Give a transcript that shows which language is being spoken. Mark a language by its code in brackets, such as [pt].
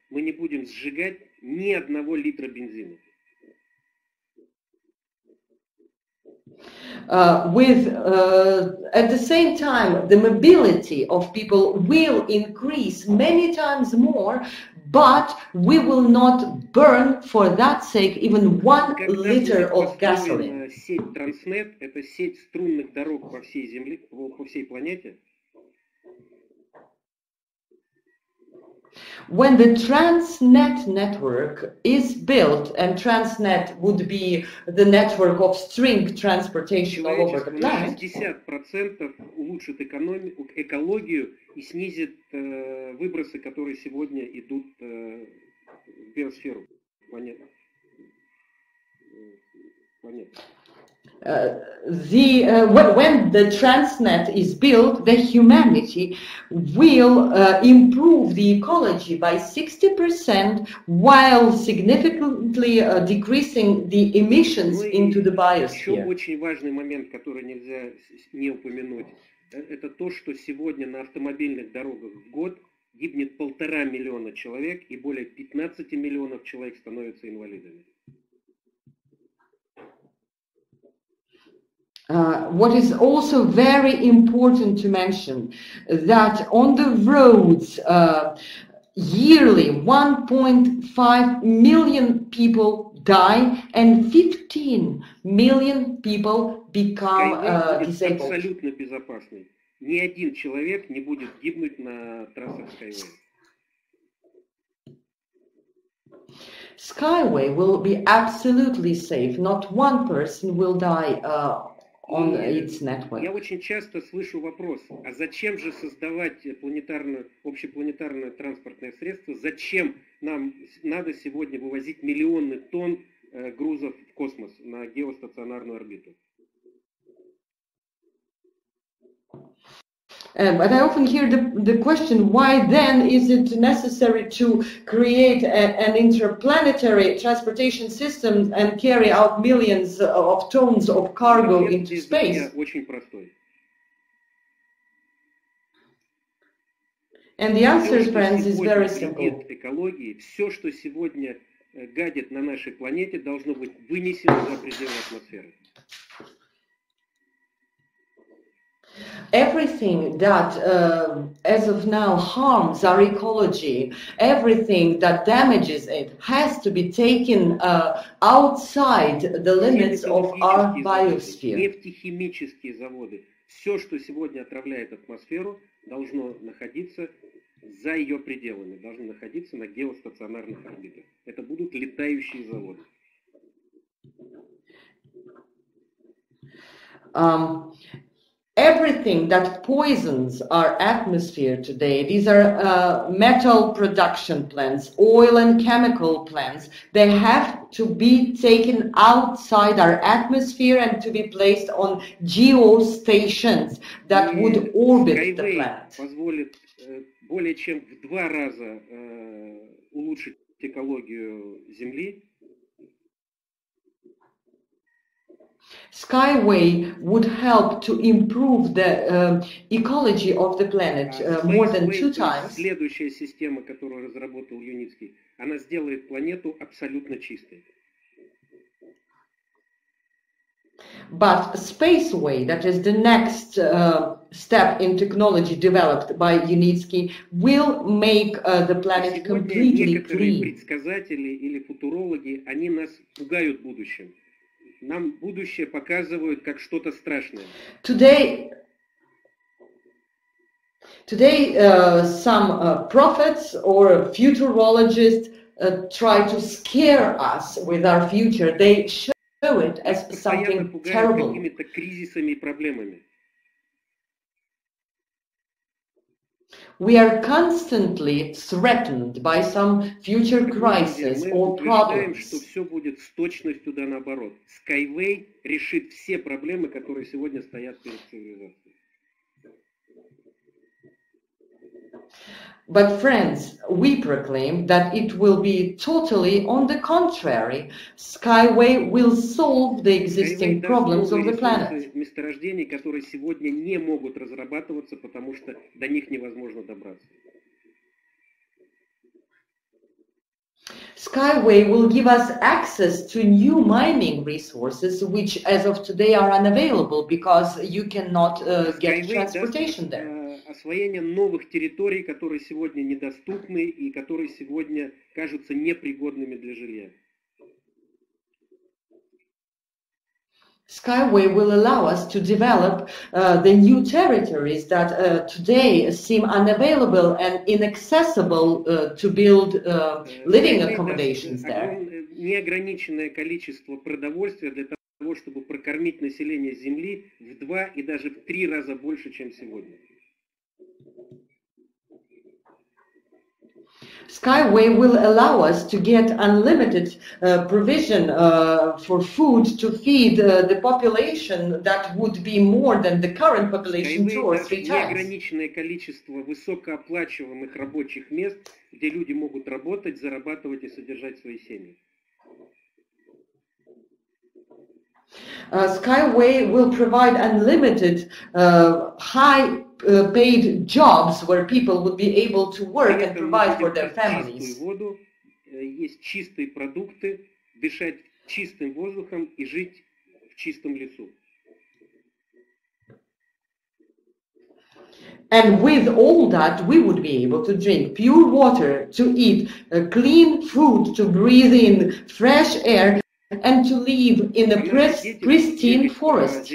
[ru] Мы не будем сжигать ни одного литра бензина. [en] At the same time, the mobility of people will increase many times more. But we will not burn for that sake even one liter of gasoline. [ru] Сеть Транснет – это сеть струнных дорог по всей земле, по всей планете. [en] When the Transnet network is built, and Transnet would be the network of string transportation all over the planet. [ru] 60% улучшит экологию и снизит выбросы, которые сегодня идут в биосферу планеты. [en] When the Transnet is built, the humanity will improve the ecology by 60% while significantly decreasing the emissions into the biosphere. [ru] Еще очень важный момент, который нельзя не упомянуть, это то, что сегодня на автомобильных дорогах в год гибнет 1.5 миллиона человек и более 15 миллионов человек становятся инвалидами. [en] What is also very important to mention that on the roads yearly 1.5 million people die and 15 million people become disabled. [ru] Абсолютно безопасный. Ни один человек не будет гибнуть на трассах Skyway. [en] Skyway will be absolutely safe. Not one person will die on its network. [ru] Я очень часто слышу вопрос, а зачем же создавать общепланетарное транспортное средство? Зачем нам надо сегодня вывозить миллионы тонн грузов в космос на геостационарную орбиту? [en] But I often hear the question, why then is it necessary to create an interplanetary transportation system and carry out millions of tons of cargo into space? And the answer, friends, is very simple. [ru] Экологии, все, что сегодня гадит на нашей планете, должно быть вынесено за пределы атмосферы. [en] Everything that as of now harms our ecology, everything that damages it has to be taken outside the limits of our biosphere. [ru] Нефтехимические заводы, все, что сегодня отравляет атмосферу, должно находиться за ее пределами, должно находиться на геостационарных орбитах. Это будут летающие заводы. [en] Everything that poisons our atmosphere today, these are metal production plants, oil and chemical plants, they have to be taken outside our atmosphere and to be placed on geostations that would orbit the planet. [ru] Позволит более чем в два раза улучшить экологию Земли. [en] Skyway would help to improve the ecology of the planet more than two times. [ru] Следующая система, которую разработал Юницкий, она сделает планету абсолютно чистой. [en] But Spaceway, that is the next step in technology developed by Yunitsky, will make the planet completely clean. [ru] Сегодня некоторые предсказатели или футурологи, они нас пугают будущим. Нам будущее показывают как что-то страшное. [en] Today some prophets or futurologists try to scare us with our future. They show it as something terrible. [ru] Какими-то кризисами и проблемами. [en] We are constantly threatened by some future crisis or problems. [ru] Мы считаем, что все будет с точностью да наоборот. Skyway решит все проблемы, которые сегодня стоят перед цивилизацией. [en] But friends, we proclaim that it will be totally on the contrary. Skyway will solve the existing problems of the planet. [ru] Месторождения, которые сегодня не могут разрабатываться, потому что до них невозможно добраться. [en] Skyway will give us access to new mining resources, which as of today are unavailable because you cannot get transportation there. [ru] Освоение новых территорий, которые сегодня недоступны и которые сегодня кажутся непригодными для жилья. [en] Skyway will allow us to develop the new territories that today seem unavailable and inaccessible to build living accommodations there. [ru] Неограниченное количество продовольствия для того, чтобы прокормить население Земли в два и даже в три раза больше, чем сегодня. [en] Skyway will allow us to get unlimited provision for food to feed the population that would be more than the current population two or three times. [ru] Неограниченное количество высокооплачиваемых рабочих мест, где люди могут работать, зарабатывать и содержать свои семьи. [en] Skyway will provide unlimited high paid jobs where people would be able to work and provide for their families. [ru] Чистую воду, есть чистые продукты, дышать чистым воздухом и жить в чистом лесу. [en] And with all that, we would be able to drink pure water, to eat clean food, to breathe in fresh air, and to live in a pristine forest.